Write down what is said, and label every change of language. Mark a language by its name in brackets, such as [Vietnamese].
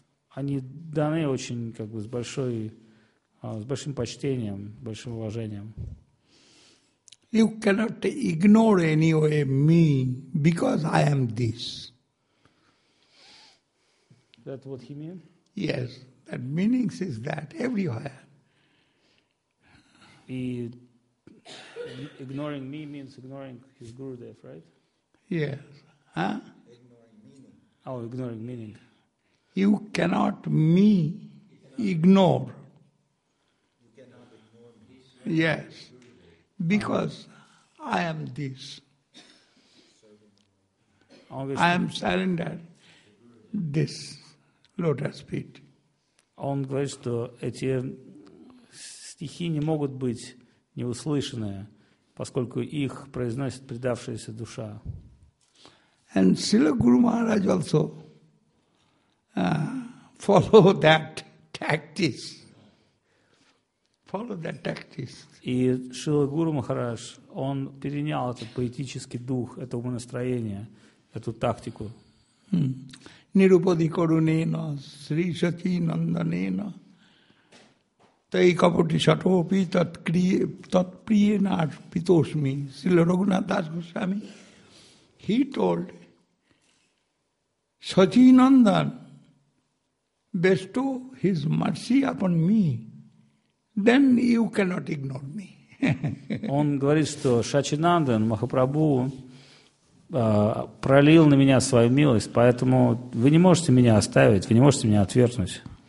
[Russian] Они даны очень, как бы, с большим почтением, большим уважением. [English] You cannot ignore anyway me because I am this. That what he mean? Yes, that meaning is that everywhere. И ignoring me means ignoring his Gurudev, right? Yes. Huh? Oh, ignoring meaning. You cannot me ignore. You cannot ignore me. Yes. Because I am this. Obviously, I am surrendered this lotus feet. [Russian] Он говорит, что эти стихи не могут быть неуслышанные, поскольку их произносит предавшаяся душа. [English] And Srila Guru Maharaj also follow that tactics. Follow that tactics. [Russian] И Шрила Гуру Махарадж, он перенял этот поэтический дух, это умонастроение, эту тактику. [Sanskrit] Нирупади коруненно, Шри Сати Нанданено, Тай капути шатопи татприенар питошми, Шрила Рагунатха Дас Госвами. [English] He told, Sachinandan bestow his mercy upon me, then you cannot ignore me. [Russian] Он говорит, что Шачинандан Махапрабху пролил на меня свою милость, поэтому вы не можете меня оставить, вы не можете меня отвергнуть.